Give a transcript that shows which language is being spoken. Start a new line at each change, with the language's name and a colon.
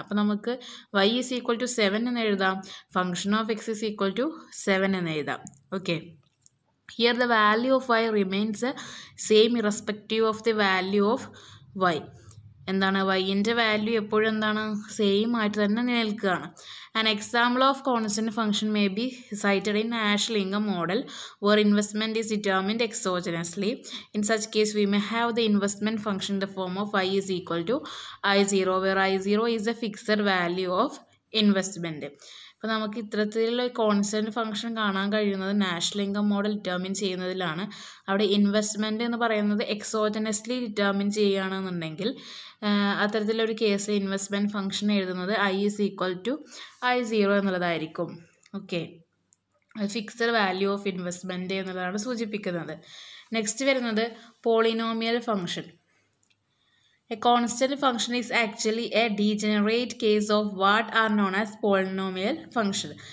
Malayalam: അപ്പോൾ നമുക്ക്
English: Y is equal to seven
Malayalam: എന്ന് എഴുതാം,
English: function of X is equal to seven
Malayalam: എന്ന് എഴുതാം. Okay,
English: Here the value of y remains same irrespective of the value of y.
Malayalam: എന്താണ് വൈൻ്റെ value എപ്പോഴും എന്താണ് സെയിം ആയിട്ട് തന്നെ നിലനിൽക്കുകയാണ്.
English: An example of constant function may be cited in Ash-Lingham model where investment is determined exogenously. In such case, we may have the investment function in the form of y is equal to I0, where I0 is a fixed value of investment.
Malayalam: ഇപ്പോൾ നമുക്ക് ഇത്തരത്തിലുള്ള constant function കാണാൻ കഴിയുന്നത് നാഷ്ലിംഗം model determine ചെയ്യുന്നതിലാണ്. അവിടെ investment എന്ന് പറയുന്നത് എക്സോജനസ്ലി determine ചെയ്യുകയാണെന്നുണ്ടെങ്കിൽ അത്തരത്തിലൊരു കേസ് ഇൻവെസ്റ്റ്മെൻറ്റ് ഫംഗ്ഷൻ എഴുതുന്നത്
English: I is equal to I zero
Malayalam: എന്നുള്ളതായിരിക്കും. Okay,
English: fixed value of investment
Malayalam: എന്നുള്ളതാണ് സൂചിപ്പിക്കുന്നത്. നെക്സ്റ്റ് വരുന്നത് polynomial function.
English: A constant function is actually a degenerate case of what are known as polynomial function.